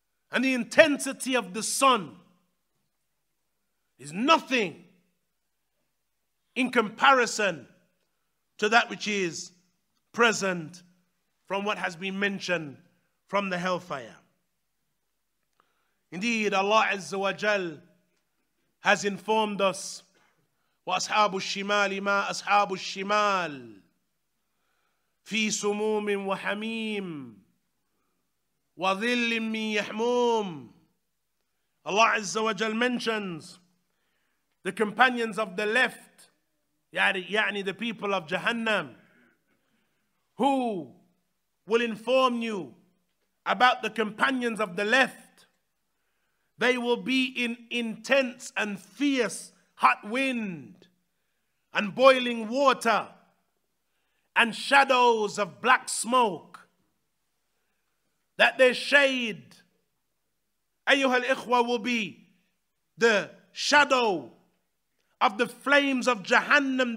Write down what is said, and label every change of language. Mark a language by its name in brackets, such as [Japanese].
[English] And the intensity of the sun is nothing in comparison to that which is present from what has been mentioned from the hellfire. Indeed, Allah Azza wa Jal has informed us, [Arabic] وَأَصْحَابُ الشِّمَالِ مَا أَصْحَابُ الشِّمَالِ فِي سُمُومٍ وَحَمِيمٍ وَظِلٍ مِّن يَحْمُومٍ. [English] Allah Azza wa Jal mentions the companions of the left, يعني the people of Jahannam, who will inform you about the companions of the left. They will be in intense and fierce hot wind and boiling water and shadows of black smoke, that their shade, [Arabic] ayyuha al-ikhwa, [English] will be the shadow of the flames of Jahannam.